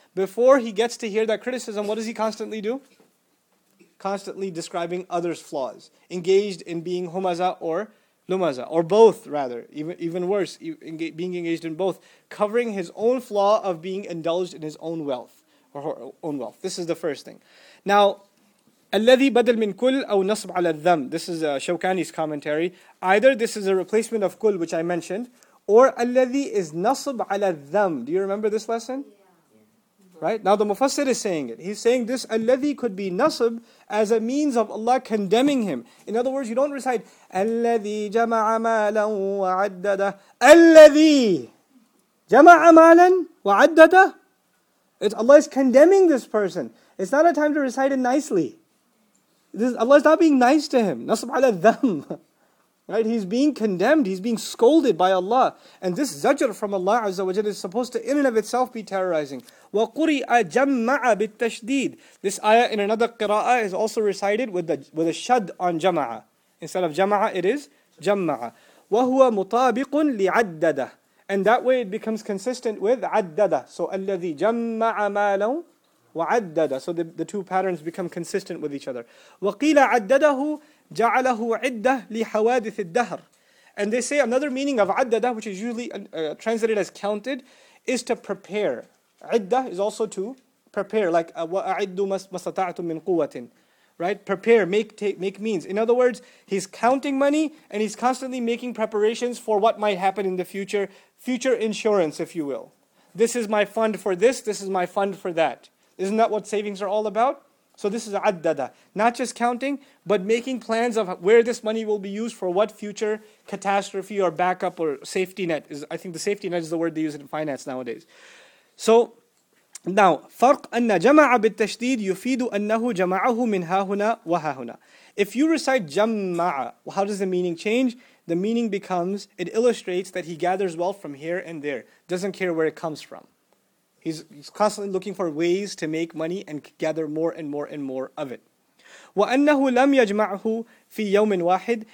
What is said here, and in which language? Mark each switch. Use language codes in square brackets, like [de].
[en] Before he gets to hear that criticism, what does he constantly do? Constantly describing others' flaws. Engaged in being humaza or lumaza. Or both, rather. Even worse, being engaged in both. Covering his own flaw of being indulged in his own wealth. Or her own wealth. This is the first thing. [ar] Now, الَّذِي بَدَلْ مِنْ كُلْ أَوْ نَصْبْ عَلَى الذَّمْ. [en] This is Shawkani's commentary. Either this is a replacement of كُلْ, which I mentioned, or الَّذِي is [ar] نَصْبْ عَلَى الذَّمْ. [en] Do you remember this lesson? Yeah. Right? Now the Mufassir is saying it. He's saying this الَّذِي could be نَصْبْ as a means of Allah condemning him. In other words, you don't recite [ar] الَّذِي جَمَعَ مَالًا وَعَدَّدَهُ. الَّذِي جَمَعَ مَالًا وَعَدَّدَهُ. [en] Allah is condemning this person. It's not a time to recite it nicely. Allah is not being nice to him. [ar] نَصْبْ عَلَى الذَّمْ. [en] Right? He's being condemned. He's being scolded by Allah. And this zajr from Allah Azza wa Jalla is supposed to in and of itself be terrorizing. [ar] وَقُرِئَ جَمَّعَ بِالتَّشْدِيدِ. [en] This ayah in another qira'a is also recited with a shad on jama'a. Instead of jama'a, it is jama'a. [ar] وَهُوَ مُطَابِقٌ لِعَدَّدَهُ. [en] And that way it becomes consistent with عَدَّدَهُ. [ar] So الَّذِي جَمَّعَ مَالًا. وَعَدَّدَ. [en] So the two patterns become consistent with each other. [ar] وَقِيلَ عَدَّدَهُ جَعَلَهُ عِدَّةٌ لِحَوَادِثِ الدَّهْرِ. [en] And they say another meaning of عَدَّدَ, which is usually translated as counted, is to prepare. عِدَّة is also to prepare, like [ar] وَأَعِدُّ مَسْتَطَعْتُمْ مِنْ قُوَّةٍ. [en] Right? Prepare, make means. In other words, he's counting money and he's constantly making preparations for what might happen in the future. Future insurance, if you will. This is my fund for this, this is my fund for that. Isn't that what savings are all about? So this is عَدَّدَ. Not just counting, but making plans of where this money will be used for what future catastrophe or backup or safety net. I think the safety net is the word they use in finance nowadays. So now, [ar] فَرْقْ أَنَّ جَمَعَ بِالتَّشْدِيدِ يُفِيدُ أَنَّهُ جَمَعَهُ مِنْ هَاهُنَا وَهَاهُنَا. [en] If you recite جَمَّعَ, how does the meaning change? The meaning becomes, it illustrates that he gathers wealth from here and there. Doesn't care where it comes from. He's constantly looking for ways to make money and gather more and more and more of it. [ar] وَأَنَّهُ لَمْ يَجْمَعْهُ فِي يَوْمٍ وَاحِدٍ.